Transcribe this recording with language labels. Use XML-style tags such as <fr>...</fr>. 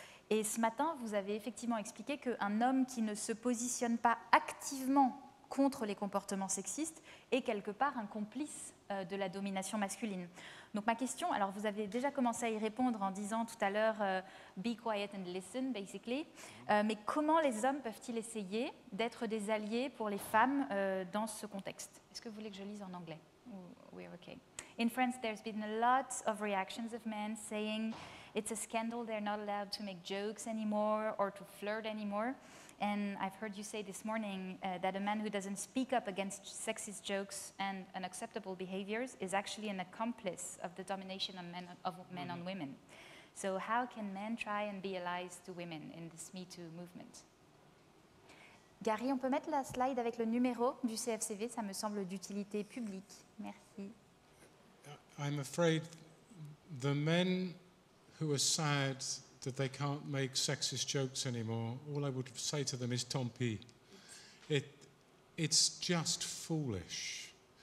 <fr>Et ce matin, vous avez effectivement expliqué qu'un homme qui ne se positionne pas activement contre les comportements sexistes est quelque part un complice de la domination masculine. Donc ma question, alors vous avez déjà commencé à y répondre en disant tout à l'heure «</fr> <en>be quiet and listen</en> <fr>» basically, mais comment les hommes peuvent-ils essayer d'être des alliés pour les femmes dans ce contexte ? Est-ce que vous voulez que je lise en anglais ?</fr> <en>We are okay. In France, there's been a lot of reactions of men saying it's a scandal they're not allowed to make jokes anymore or to flirt anymore. And I've heard you say this morning that a man who doesn't speak up against sexist jokes and unacceptable behaviors is actually an accomplice of the domination of men on women. So how can men try and be allies to women in this Me Too movement?</en> <fr>Gary, on peut mettre la slide avec le numéro du CFCV, ça me semble d'utilité publique. Merci.</fr> <en>I'm afraid the men who are sad that they can't make sexist jokes anymore, all I would say to them is</en> <fr>tant pis.</fr> <en>It's just foolish.</en>